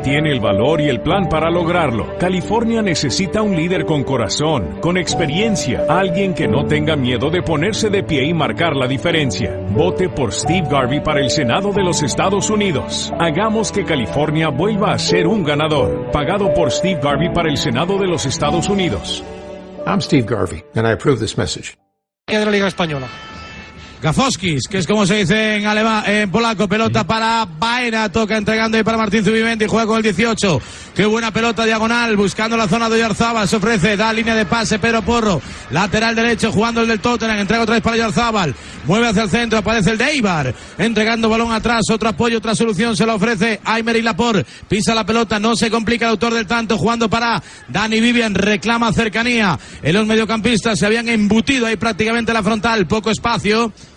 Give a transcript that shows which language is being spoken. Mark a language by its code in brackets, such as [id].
[es] Tiene el valor y el plan para lograrlo. California necesita un líder con corazón, con experiencia, alguien que no tenga miedo de ponerse de pie y marcar la diferencia. Vote por Steve Garvey para el Senado de los Estados Unidos. Hagamos que California vuelva a ser un ganador. Pagado por Steve Garvey para el Senado de los Estados Unidos. [en] I'm Steve Garvey and I approve this message. [es] De la Liga Española. Gafoskis, que es como se dice en alemán, en polaco, pelota para Baena, toca entregando ahí para Martín Zubimendi, juega con el 18. Qué buena pelota diagonal, buscando la zona de Oyarzabal, se ofrece, da línea de pase, pero Porro, lateral derecho, jugando el del Tottenham, entrega otra vez para Oyarzabal, mueve hacia el centro, aparece el de Eibar, entregando balón atrás, otro apoyo, otra solución, se lo ofrece Aymeric Laporte, pisa la pelota, no se complica el autor del tanto, jugando para Dani Vivian, reclama cercanía en los mediocampistas, se habían embutido ahí prácticamente la frontal, poco espacio.